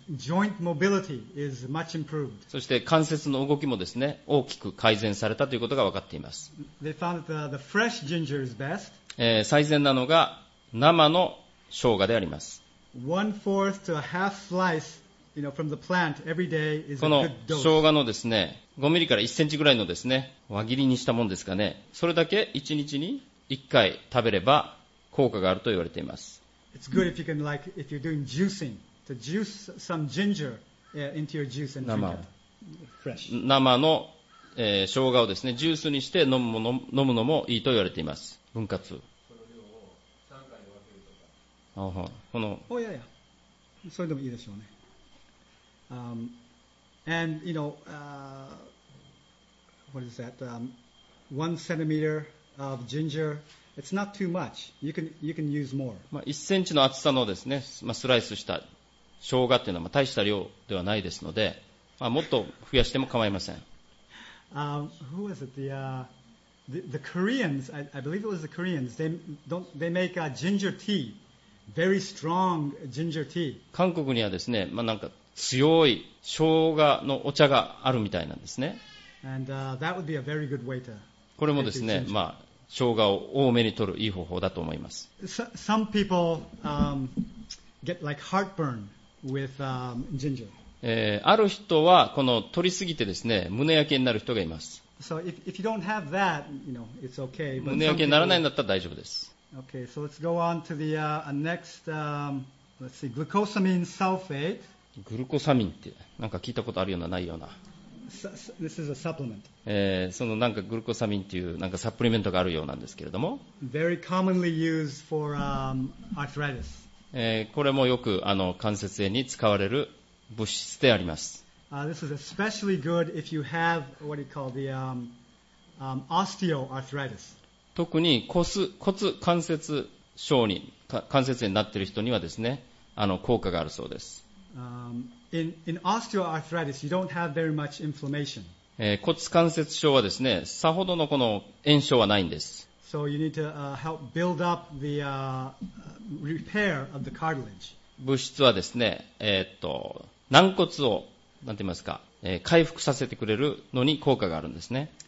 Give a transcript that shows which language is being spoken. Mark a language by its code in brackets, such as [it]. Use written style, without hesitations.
[en] And joint mobility is much improved. [ja] そして関節の動きもですね、大きく改善されたということが分かっています。 [en] They found that the fresh ginger is best. [ja] 最善なのが生の生姜であります。 [en] 1/4 to a half slice, you know, from the plant every day is a good dose. [ja] この生姜のですね、5ミリから1センチぐらいのですね、輪切りにしたもんですかね。それだけ1日に1回食べれば効果があると言われています。 [en] It's good if you can, like, if you're doing juicing, to juice some ginger into your juice and drink it fresh. [ja] 生の、生姜をですね、ジュースにして飲むのもいいと言われています。分割。この [en] oh, yeah, yeah. [ja] それでもいいでしょうね。 [en] And you know, what is that? One centimeter of ginger. It's not too much. You can use more. [ja] まあ1センチの厚さのですね、まあ、スライスした生姜っていうのはまあ大した量ではないですので、まあ、もっと増やしても構いません。 [en] Who was it? The Koreans. I believe it was the Koreans. They make a ginger tea. Very strong ginger tea. [ja] 韓国にはですね、まあ、なんか強い生姜のお茶があるみたいなんですね。 [en] And, that would be a very good way to [ja] これもですね、まあ、生姜を多めに取るいい方法だと思います。 [en] Some people, get like heartburn with, ginger. [ja] ある人はこの取りすぎてですね、胸焼けになる人がいます。 [en] So if you don't have that, you know, it's okay. [ja] 胸焼けにならないんだったら大丈夫です。 [en] Okay, so let's go on to the next. Let's see, glucosamine sulfate. [ja] グルコサミンってなんか聞いたことあるようなないような。 [en] This is a supplement. [ja] そのなんかグルコサミンっていうなんかサプリメントがあるようなんですけれども。 [en] Very commonly used for arthritis. [ja] これもよく関節炎に使われる物質であります。 [en] This is especially good if you have what you call the osteoarthritis. [ja] 特に骨関節症に関節炎になっている人にはですね、効果があるそうです。 [en] In osteoarthritis, you don't have very much inflammation. [ja] 骨関節症はですね、さほどのこの炎症はないんです。 [en] So you need to help build up the repair of the cartilage. [ja] 物質はですね、軟骨をなんて言いますか、回復させてくれるのに効果があるんですね。